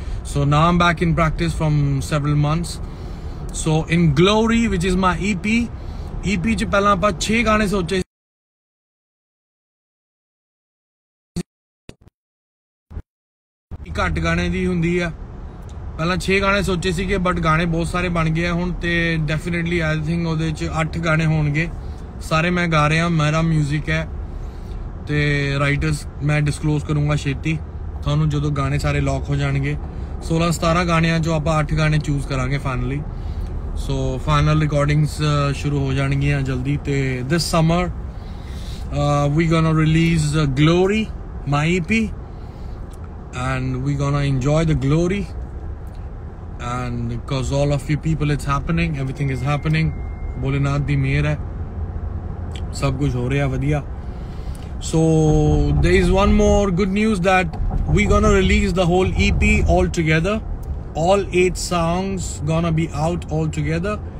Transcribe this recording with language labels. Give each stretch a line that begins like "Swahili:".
English: So now I'm back in practice from several months. So in glory, which is my
Punjabi: ep ch pehla apa 6 gaane soche, ikat gaane di hundi hai, ਪਹਿਲਾਂ 6 ਗਾਣੇ ਸੋਚੇ ਸੀਗੇ, but ਗਾਣੇ ਬਹੁਤ ਸਾਰੇ ਬਣ ਗਏ ਆ ਹੁਣ, ਅਤੇ
English: definitely I think
Punjabi: ਉਹਦੇ 'ਚ 8 ਗਾਣੇ ਹੋਣਗੇ, ਸਾਰੇ ਮੈਂ ਗਾ ਰਿਹਾ, ਮੇਰਾ ਮਿਊਜ਼ਿਕ ਹੈ, ਅਤੇ ਰਾਈਟਰਸ ਮੈਂ ਡਿਸਕਲੋਜ਼ ਕਰੂੰਗਾ ਛੇਤੀ ਤੁਹਾਨੂੰ, ਜਦੋਂ ਗਾਣੇ ਸਾਰੇ ਲੌਕ ਹੋ ਜਾਣਗੇ। 16-17 ਗਾਣਿਆਂ 'ਚੋਂ ਆਪਾਂ 8 ਗਾਣੇ ਚੂਜ਼ ਕਰਾਂਗੇ ਫਾਈਨਲੀ। ਸੋ ਫਾਈਨਲ ਰਿਕਾਰਡਿੰਗਸ ਸ਼ੁਰੂ ਹੋ ਜਾਣਗੀਆਂ ਜਲਦੀ, ਅਤੇ
English: this summer we gonna release Glory my EP, and we gonna enjoy the glory, and because all of you people, it's happening, everything is happening,
Punjabi: Bolinath di mehr hai, sab kuch ho reha vadhiya.
English: So there is one more good news, that we gonna release the whole EP all together, all 8 songs gonna be out all together.